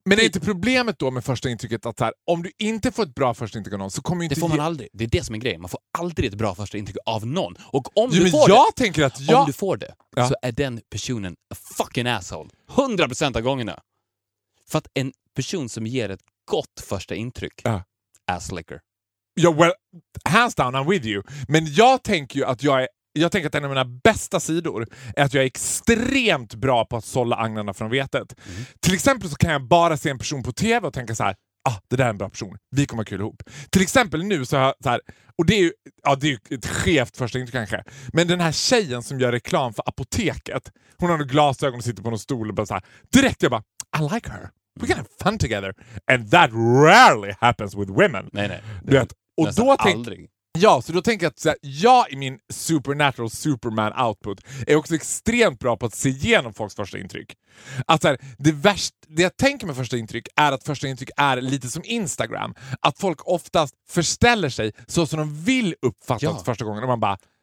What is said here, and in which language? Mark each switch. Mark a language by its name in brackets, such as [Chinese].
[Swedish] Men det är inte problemet då med första intrycket att så här, om du inte får ett bra första intryck av någon så kommer inte... Det får man aldrig. Det är det som är grejen. Man får aldrig ett bra första intryck av någon. Och om jo, du men får jag det, tänker att jag... Om du får det så är den personen [English] a fucking asshole. [Swedish] 100% av gångerna. För att en person som ger ett gott första intryck, [English] ass licker. Ja, yeah, well, hands down, I'm with you. [Swedish] Men jag tänker ju att jag är... Jag tänker att en av mina bästa sidor är att jag är extremt bra på att sålla agnarna från vetet. Mm. Till exempel så kan jag bara se en person på TV och tänka så här, ah, det där är en bra person. Vi kommer kul ihop. Till exempel nu så har jag så här, och det är ju, ja, det är ju ett skevt första intryck kanske. Men den här tjejen som gör reklam för apoteket, hon har nog glasögon och sitter på någon stol och bara så här, direkt jag bara, [English] I like her. We're gonna have fun together. And that rarely happens with women. [Swedish] Nej, nej. Du vet, och då aldrig. Ja, så då tänker jag att så här, jag i min [English] supernatural superman output [Swedish] är också extremt bra på att se igenom folks första intryck. Att så här, det värsta, det jag tänker med första intryck är att första intryck är lite som Instagram. Att folk oftast förställer sig så som de vill uppfattas första gången. Och man bara,